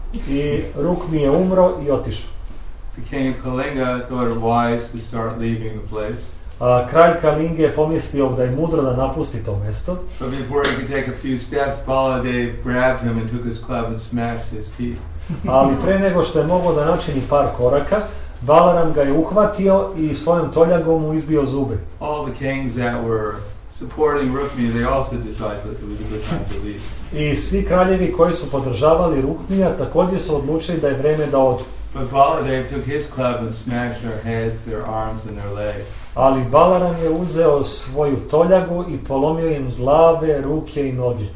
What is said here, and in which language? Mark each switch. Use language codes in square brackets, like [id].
[sr] I Rukmi je umro i otišao. [en] The king of Kalinga thought it wise to start leaving the place. [sr] A kralj Kalinge je pomislio da je mudro da napusti to mjesto. [en] But before he could take a few steps, Baladev grabbed him and took his club and smashed his teeth. [sr] Ali pre nego što je mogao da načini par koraka, Balaram ga je uhvatio i svojom toljagom mu izbio zube. [en] All the kings that were supporting Rukmi, they also decided that it was a good time to leave. [sr] I svi kraljevi koji su podržavali Rukmija također su odlučili da je vrijeme da odu. [en] But Baladev took his club and smashed their heads, their arms and their legs. [sr] Ali Balaram je uzeo svoju toljagu i polomio im glave, ruke i noge.